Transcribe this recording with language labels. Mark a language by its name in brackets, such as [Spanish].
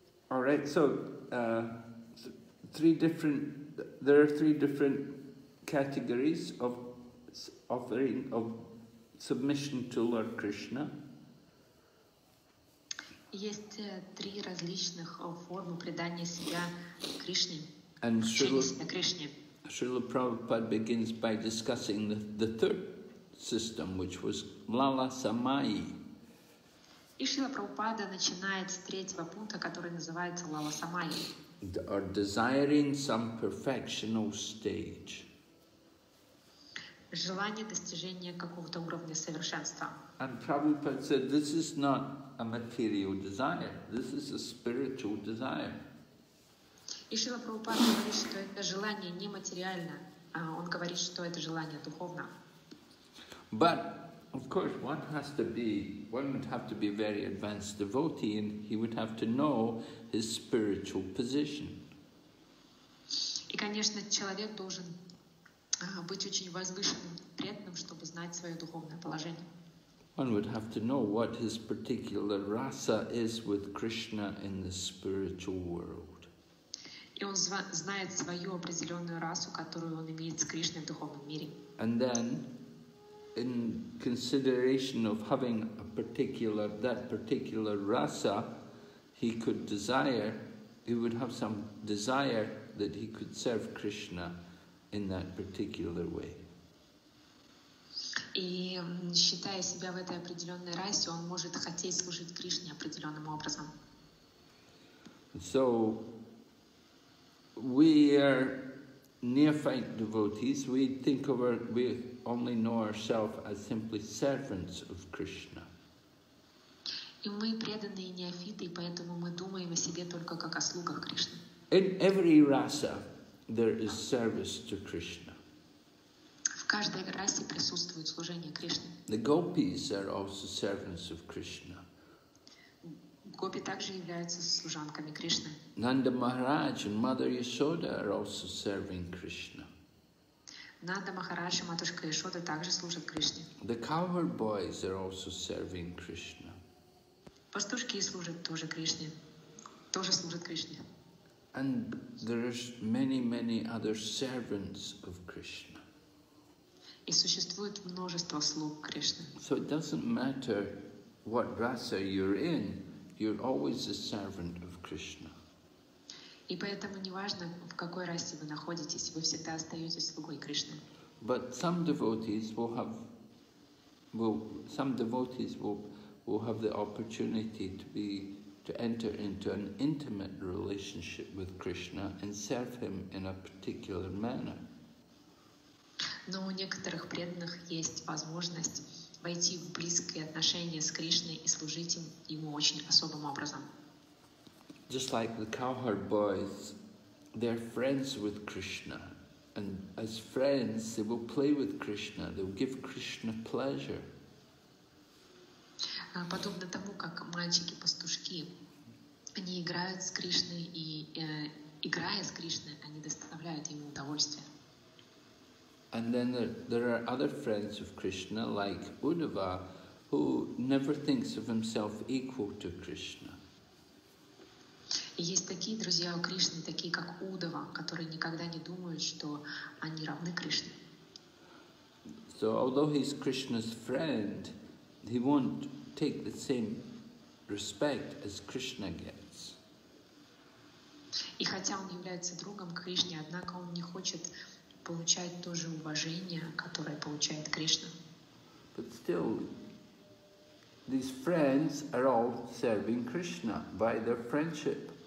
[English] All right, so there are three different categories of offering of submission to Lord Krishna. [Russian] Есть три различных формы предания себя Кришне. [English] And Srila Prabhupada begins by discussing the third system, which was Lala Samai. [Russian] И Шрила Прабхупада начинает с третьего пункта, который называется Лала Самай. [English] Or desiring some perfectional stage. [Russian] Желание достижения какого-то уровня совершенства. [English] And Prabhupada said, this is not a material desire, this is a spiritual desire. [Russian] И Шрила Прабхупада говорит, что это желание не материально. Он говорит, что это желание духовно. [English] But of course, one would have to be a very advanced devotee, and he would have to know his spiritual position. [Russian] И, конечно, человек должен быть очень возвышенным, преданным, чтобы знать свое духовное положение. [English] One would have to know what his particular rasa is with Krishna in the spiritual world. [Russian] И он знает свою определенную расу, которую он имеет с Кришной в духовном мире. [English] And then, in consideration of having a particular, that particular rasa, he could desire, he would have some desire that he could serve Krishna in that particular way. [Russian] И считая себя в этой определенной расе, он может хотеть служить Кришне определенным образом. [English] So, we are neophyte devotees. We think of our, we only know ourselves as simply servants of Krishna. [Russian] И мы преданные неофиты, поэтому мы думаем о себе только как о слугах Кришны. [English] In every rasa, there is service to Krishna. [Russian] В каждой расе присутствует служение Кришне. [English] The gopis are also servants of Krishna. [Russian] Гопи также являются служанками Кришны. [English] Nanda Maharaj and Mother Yashoda are also serving Krishna. [Russian] Нанда Махарадж и матушка Яшода также служат Кришне. [English] The cowherd boys are also serving Krishna. [Russian] Пастушки служат тоже Кришне. Тоже служат Кришне. [English] And there are many, many other servants of Krishna. [Russian] И существует множество слуг Кришны. [English] So it doesn't matter what rasa you're in, you're always a servant of Krishna. [Russian] И поэтому неважно, в какой расе вы находитесь, вы всегда остаетесь слугой Кришны. [English] But some devotees will have the opportunity to enter into an intimate relationship with Krishna and serve him in a particular manner. [Russian] Но у некоторых преданных есть возможность войти в близкие отношения с Кришной и служить ему очень особым образом. [English] Just like the cowherd boys, they're friends with Krishna. And as friends, they will play with Krishna, they will give Krishna pleasure. [Russian] Подобно тому, как мальчики-пастушки, они играют с Кришной, и играя с Кришной, они доставляют ему удовольствие. [English] And then there are other friends of Krishna, like Uddhava, who never thinks of himself equal to Krishna. [Russian] Есть такие друзья у Кришны, такие как Уддхава, которые никогда не думают, что они равны Кришне. [English] So although he's Krishna's friend, he won't take the same respect as Krishna gets. [Russian] И хотя он является другом Кришне, однако он не хочет получает то же уважение, которое получает Кришна. [English] But still, these friends are all serving Krishna by their friendship.